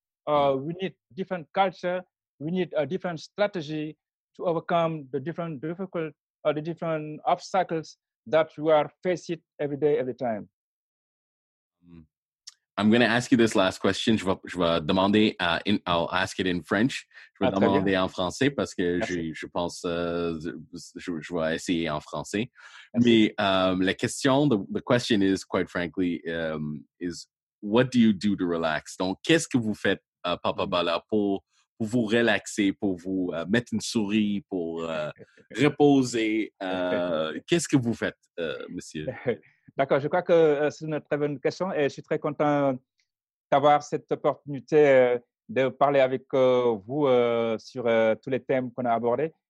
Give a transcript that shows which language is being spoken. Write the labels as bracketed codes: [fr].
[en] We need different culture. We need a different strategy to overcome the different difficult, the different obstacles that we are facing every day, every time. I'm going to ask you this last question. I'll ask it in French. [fr] Je vais demander en français parce que je pense je vais essayer en français. Mais la question, [en] the question is, quite frankly, is what do you do to relax? [fr] Donc, qu'est-ce que vous faites, Papa Bala, pour vous relaxer, pour vous mettre une souris, pour reposer? Qu'est-ce que vous faites, monsieur? D'accord, je crois que c'est une très bonne question et je suis très content d'avoir cette opportunité de parler avec vous sur tous les thèmes qu'on a abordés.